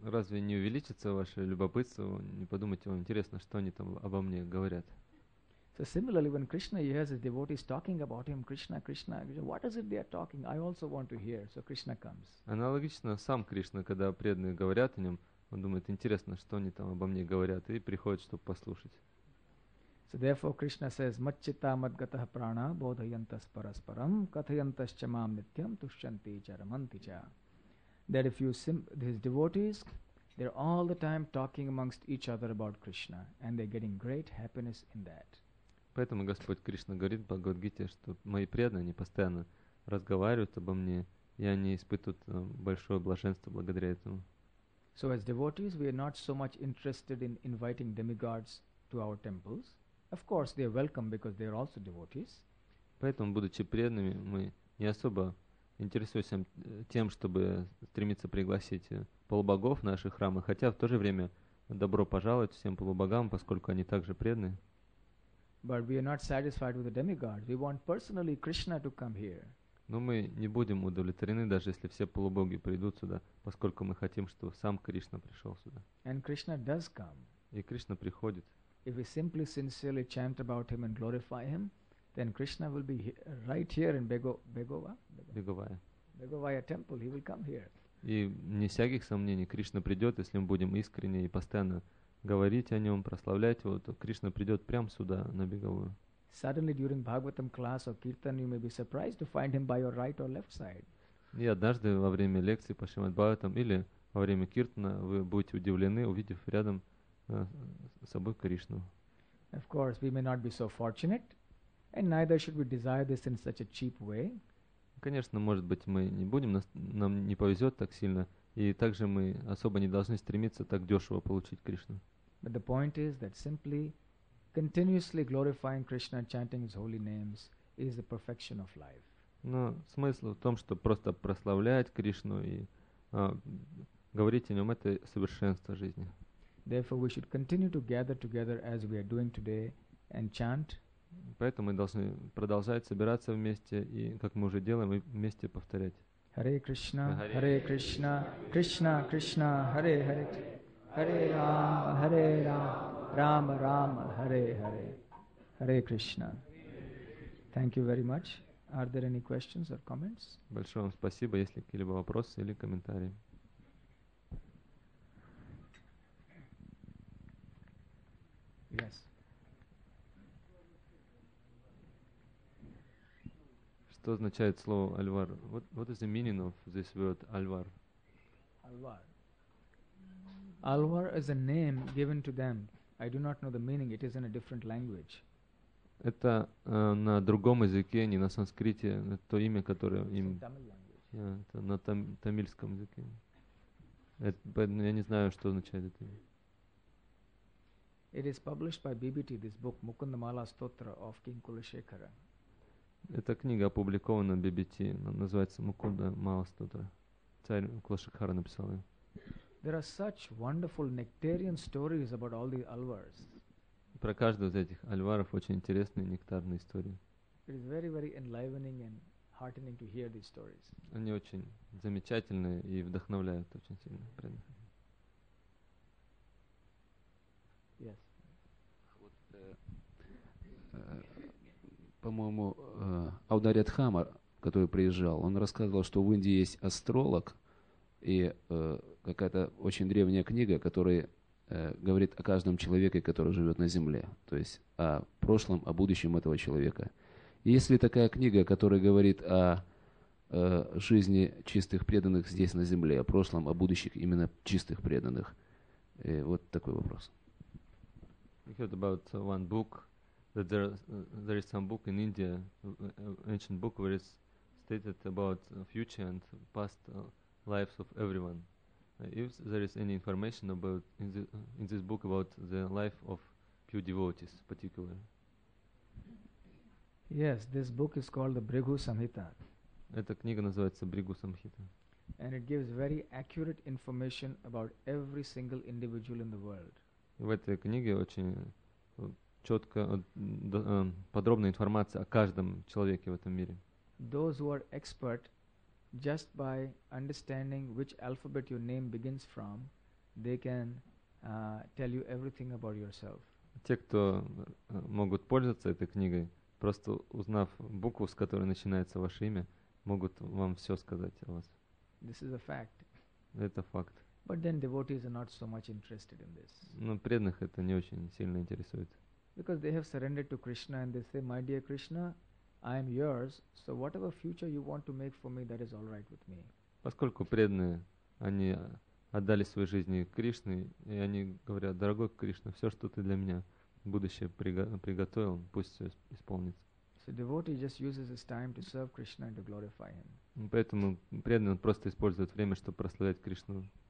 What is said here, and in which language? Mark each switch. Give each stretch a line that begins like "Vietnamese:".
Russian: Разве не увеличится ваше любопытство? Не подумайте, вам интересно, что они там обо мне говорят.
English: So similarly, when Krishna hears his devotees talking about him, Krishna, Krishna, what is it they are talking? I also want to hear. So Krishna comes.
Russian: Аналогично, сам Кришна, когда преданные говорят о нем, он думает, интересно, что они там обо мне говорят, и приходит, чтобы послушать.
English: So therefore Krishna says,
Sanskrit: Machchita madgata prana bodhayantas parasparam kathayantas chamam nityam tushyanti charamanti cha.
English: That if you his devotees, they're all the time talking amongst each other about Krishna, and they're getting great happiness in that.
Russian: Поэтому Господь Кришна говорит в Бхагавад-гите, что мои преданные, они постоянно разговаривают обо мне, и они испытывают большое блаженство благодаря этому.
English: So as devotees, we are not so much interested in inviting demigods to our temples. Of course, they are welcome because they are also devotees.
Russian: Поэтому, будучи преданными, мы не особо интересуемся тем, чтобы стремиться пригласить полубогов в наши храмы, хотя в то же время добро пожаловать всем полубогам, поскольку они также преданные.
English: But we are not satisfied with the demigods. We want personally Krishna to come here.
Russian: Но мы не будем удовлетворены, даже если все полубоги придут сюда, поскольку мы хотим, чтобы сам Кришна пришел сюда.
English: And Krishna does come.
Russian: И Кришна приходит.
English: If we simply sincerely chant about him and glorify him, then Krishna will be right here in Begovaya temple. He will come here.
Russian: И не всяких сомнений, Кришна придет, если мы будем искренне и постоянно говорить о нем, прославлять его, то Кришна придет прямо сюда, на Беговую.
English: Suddenly during Bhagavatam class or Kirtan, you may be surprised to find him by your right or left side.
Russian: И однажды во время лекции по Шримад Бхагаватам или во время Киртана вы будете удивлены, увидев рядом собой Кришну.
English: Of course, we may not be so fortunate, and neither should we desire this in such a cheap way.
Russian: Конечно, может быть, мы не будем, нам не повезет так сильно, и также мы особо не должны стремиться так дешево получить Кришну.
English: But the point is that simply continuously glorifying Krishna, chanting his holy names is the perfection of life.
Russian: Но смысл в том, что просто прославлять Кришну и говорить о нем — это совершенство жизни.
English: Therefore, we should continue to gather together as we are doing today and chant.
Russian: Поэтому мы должны продолжать собираться вместе и, как мы уже делаем, вместе повторять.
English: Hare Krishna, Hare Krishna, Krishna Krishna, Hare Hare, Hare Rama, Rama Rama, Hare Hare, Hare Krishna. Thank you very much. Are there any questions or comments?
Russian: Большое вам спасибо. Есть ли какие-либо вопросы или комментарии?
English: Yes.
Russian: Что означает слово Альвар?
English: What is the meaning of this word Альвар? Альвар. Альвар is a name given to them. I do not know the meaning. It is in a different language.
Russian: Это на другом языке, не на санскрите, то имя, которое им... Это на тамильском языке. Я не знаю, что означает это имя.
English: It is published by BBT, this book, Mukundamala Stotra of King Kulashekara.
Russian: Эта книга опубликована в BBT, называется Mukundamala Stotra. Царь Кулашекхара написал ее.
English: There are such wonderful nectarian stories about all the Alvars.
Russian: Про каждого из этих альваров очень интересные нектарные истории.
English: It is very, very enlivening and heartening to hear these stories.
Russian: Они очень замечательные и вдохновляют очень сильно.
English: Yes.
Russian: Вот по-моему, Аударят Хамар, который приезжал, он рассказывал, что в Индии есть астролог и какая-то очень древняя книга, которая говорит о каждом человеке, который живет на Земле, то есть о прошлом, о будущем этого человека. Есть ли такая книга, которая говорит о жизни чистых преданных здесь на Земле, о прошлом, о будущем именно чистых преданных? И вот такой вопрос.
English: We heard about one book that there is some book in India, ancient book, where it's stated about future and past lives of everyone. If there is any information about in this book about the life of pure devotees, particularly. Yes, this book is called the Bhrigu Samhita.
Russian: Эта книга называется Бригу Самхита.
English: And it gives very accurate information about every single individual in the world.
Russian: В этой книге очень четко подробная информация о каждом человеке в этом мире.
English: Those who are expert. Just by understanding which alphabet your name begins from, they can tell you everything about yourself.
Russian: Те, кто могут пользоваться этой книгой, просто узнав букву, с которой начинается ваше имя, могут вам все сказать о вас.
English: This is a fact.
Russian: Это факт.
English: But then devotees are not so much interested in this.
Russian: Но преданных это не очень сильно интересует.
English: Because they have surrendered to Krishna and they say, "My dear Krishna, I am yours, so whatever future you want to make for me, that is all right with me."
Russian: Поскольку преданные, они отдали свои жизни Кришне, и они говорят: «Дорогой Кришна, все, что ты для меня будущее приготовил, пусть все исполнится».
English: So devotee just uses his time to serve Krishna and to glorify him.
Russian: Поэтому преданный просто использует время, чтобы прославлять Кришну.